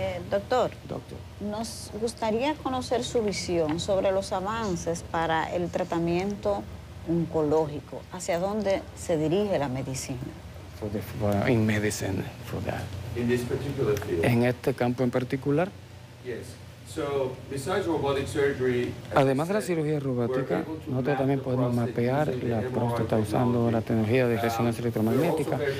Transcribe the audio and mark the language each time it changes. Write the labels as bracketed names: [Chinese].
[Spanish] Doctor, nos gustaría conocer su visión sobre los avances para el tratamiento oncológico. ¿Hacia dónde se dirige la medicina? [English] In medicine for that. In this particular field. [Spanish] En este campo en particular. [English] Yes. So, besides robotic surgery, [Spanish] además de la cirugía robótica, nosotros también podemos mapear la próstata usando la tecnología de resonancia electromagnética.